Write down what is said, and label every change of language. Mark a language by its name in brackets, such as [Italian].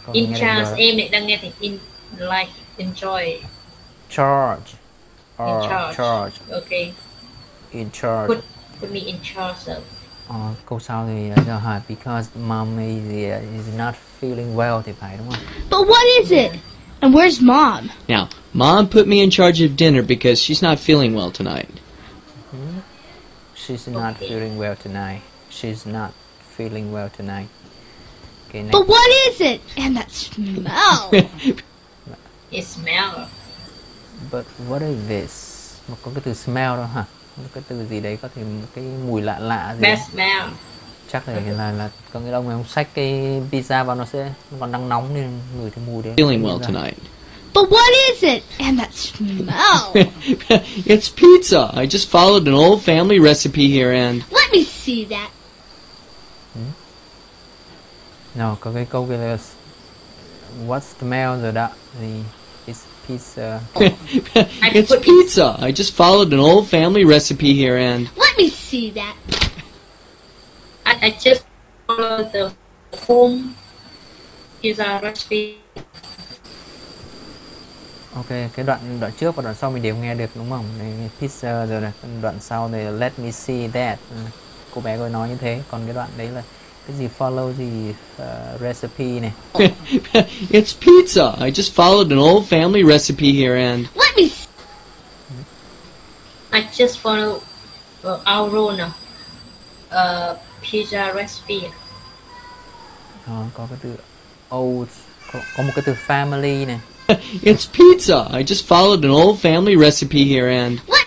[Vietnamese] Còn [English] in charge [Vietnamese] em lại đang nghe thì [English] in like enjoy. Charge. Or in charge. Okay. In charge. Put me in charge of. [Vietnamese] Câu sau thì là do hại [English] because mom is not feeling well [Vietnamese] thì phải đúng không? [English] But what is it? And where's mom? Now, mom put me in charge of dinner because she's not feeling well tonight. She's not feeling well tonight. She's not feeling well tonight. Okay, but what is it? And that smell. It smells. But what is this? [Vietnamese] Một có cái từ smell đó hả? Cái từ gì đấy có thể cái mùi lạ lạ gì [English] best smell [Vietnamese] chắc là có nghĩa là ông ấy xách cái pizza vào nó sẽ còn đang nóng nên ngửi thấy mùi đấy [English] feeling well tonight but what is it and that smell it's pizza I just followed an old family recipe here and let me see that [Vietnamese] nào có cái câu kia là [English] what's the smell [Vietnamese] rồi đó thì [English] it's pizza. It's pizza. I just followed an old family recipe here and let me see that. I just followed the home pizza recipe. [Vietnamese] Okay, cái đoạn trước và đoạn sau mình đều nghe được đúng không? Pizza rồi này, đoạn sau này [English] let me see that. [Vietnamese] Cô bé gọi nói như thế, còn cái đoạn đấy là cái gì follow gì recipe này. [English] It's pizza. I just followed an old family recipe here and let me. I just follow our own pizza recipe. [Vietnamese] Đó, có cái từ old có một cái từ family này. [English] It's pizza. I just followed an old family recipe here and